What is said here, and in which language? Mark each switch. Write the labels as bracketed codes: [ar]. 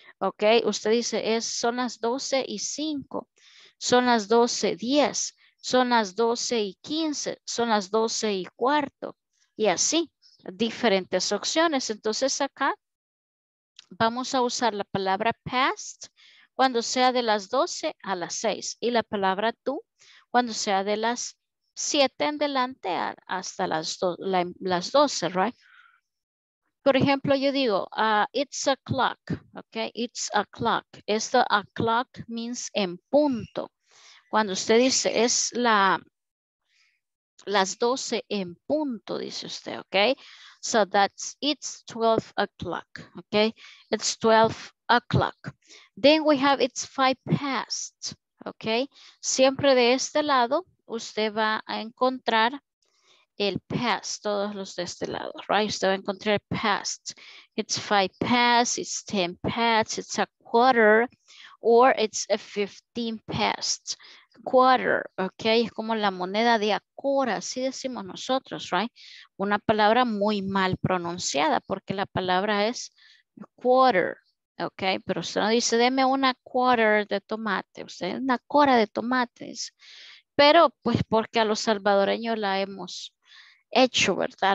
[es] Ok, usted dice, son las 12:05, son las 12:10, son las 12:15, son las 12:15, y así, diferentes opciones. Entonces acá vamos a usar la palabra past cuando sea de las 12 a las 6, y la palabra to cuando sea de las 7 en delante hasta las 12, right? Por ejemplo, yo digo, [en] it's a clock, ok, it's a clock. [es] Esto, a clock, means en punto. Cuando usted dice, es las 12 en punto, dice usted, ok. [en] So that's, it's 12 o'clock, ok. It's 12 o'clock. Then we have, it's 5 past, ok. [es] Siempre de este lado, usted va a encontrar el past, todos los de este lado, right? Usted va a encontrar el past. [en] It's 5 past, it's 10 past, it's a quarter, or it's a 15 past. [es] Quarter, ok, es como la moneda de a cora, así decimos nosotros, right? Una palabra muy mal pronunciada, porque la palabra es quarter, ok, pero usted no dice, deme una quarter de tomate, usted es una cora de tomates, pero pues porque a los salvadoreños la hemos hecho, ¿verdad?